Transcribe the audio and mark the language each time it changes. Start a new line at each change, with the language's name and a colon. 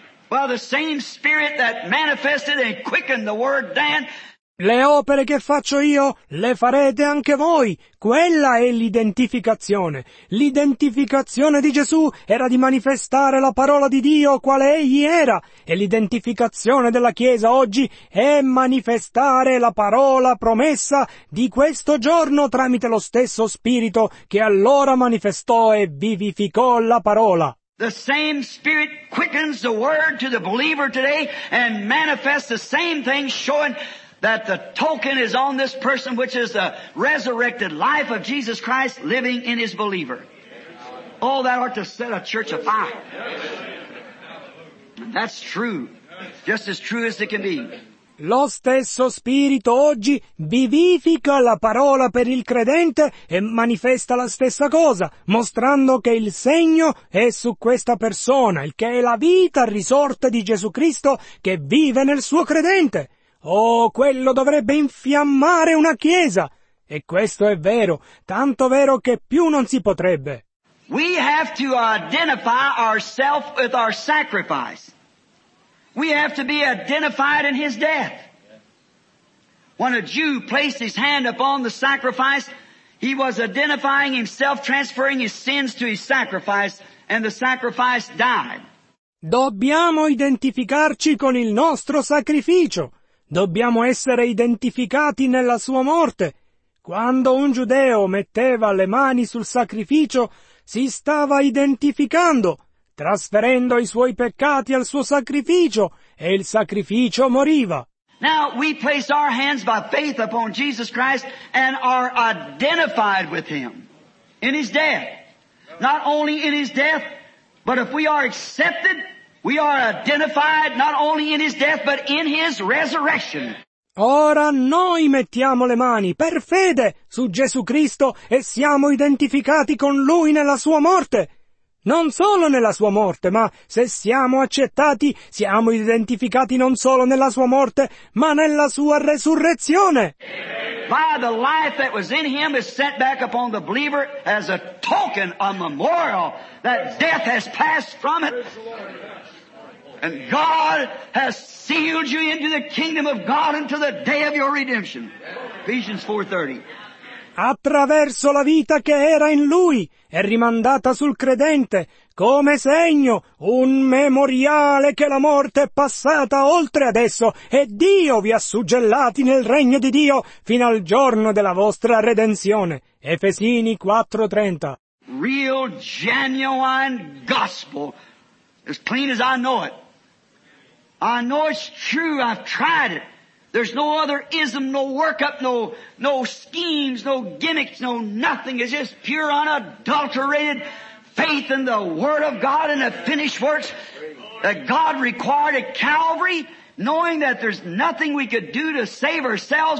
English: Well, the same spirit that manifested and quickened the word Dan.
Italian: Le opere che faccio io le farete anche voi. Quella è l'identificazione. L'identificazione di Gesù era di manifestare la parola di Dio quale egli era. E l'identificazione della Chiesa oggi è manifestare la parola promessa di questo giorno tramite lo stesso Spirito che allora manifestò e vivificò la parola.
English: The same Spirit quickens the word to the believer today and manifests the same thing showing that the token is on this person, which is the resurrected life of Jesus Christ living in his believer. All that ought to set a church afire. That's true. Just as true as it can be.
Italian: Lo stesso Spirito oggi vivifica la parola per il credente e manifesta la stessa cosa, mostrando che il segno è su questa persona, il che è la vita risorta di Gesù Cristo che vive nel suo credente. Oh, quello dovrebbe infiammare una chiesa. E questo è vero, tanto vero che più non si potrebbe.
English: We have to identify ourselves with our sacrifice. We have to be identified in his death. When a Jew placed his hand upon the sacrifice, he was identifying himself, transferring his sins to his sacrifice, and the sacrifice died.
Italian: Dobbiamo identificarci con il nostro sacrificio. Dobbiamo essere identificati nella sua morte. Quando un giudeo metteva le mani sul sacrificio, si stava identificando, trasferendo i suoi peccati al suo sacrificio, e il sacrificio moriva.
English: Now we place our hands by faith upon Jesus Christ and are identified with him in His death. Not only in His death, but if we are accepted, we are identified not only in His death, but in His resurrection.
Italian: Ora noi mettiamo le mani per fede su Gesù Cristo e siamo identificati con Lui nella Sua morte. Non solo nella Sua morte, ma se siamo accettati, siamo identificati non solo nella Sua morte, ma nella Sua resurrezione.
English: By the life that was in Him is set back upon the believer as a token, a memorial, that death has passed from it. And God has sealed you into the kingdom of God until the day of your redemption. Ephesians 4:30.
Italian: Attraverso la vita che era in Lui è rimandata sul credente come segno, un memoriale che la morte è passata oltre adesso e Dio vi ha suggellati nel regno di Dio fino al giorno della vostra redenzione. Efesini 4:30.
English: Real genuine gospel, as clean as I know it. I know it's true, I've tried it. There's no other ism, no workup, no schemes, no gimmicks, no nothing. It's just pure, unadulterated faith in the Word of God and the finished works that God required at Calvary, knowing that there's nothing we could do to save ourselves.